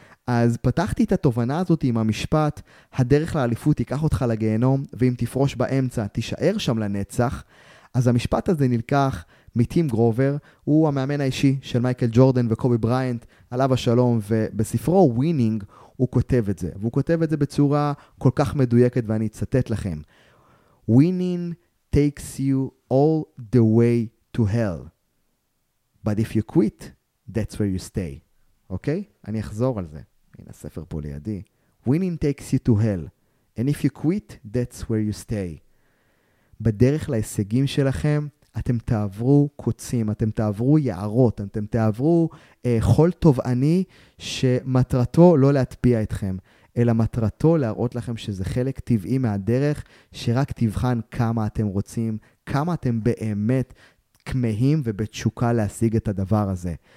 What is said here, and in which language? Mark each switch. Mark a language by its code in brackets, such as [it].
[he] אז פתחתי את התובנה הזאת עם המשפט, הדרך לאליפות ייקח אותך לגיהנום, ואם תפרוש באמצע, תישאר שם לנצח. אז המשפט הזה נלקח מטים גרובר, הוא המאמן האישי של מייקל ג'ורדן וקובי בריינט, עליו השלום, ובספרו ווינינג הוא כותב את זה. והוא כותב את זה בצורה כל כך מדויקת, ואני אצטט לכם. [en] Winning takes you all the way to hell. But if you quit, that's where you stay. [he] אוקיי? אני אחזור על זה. הנה הספר פה לידי. [en] Winning takes you to hell. And if you quit, that's where you stay. [he] בדרך להישגים שלכם, אתם תעברו קוצים, אתם תעברו יערות, אתם תעברו חול תובעני שמטרתו לא להטביע אתכם, אלא מטרתו להראות לכם שזה חלק טבעי מהדרך, שרק תבחן כמה אתם רוצים, כמה אתם באמת כמהים ובתשוקה להשיג את הדבר הזה.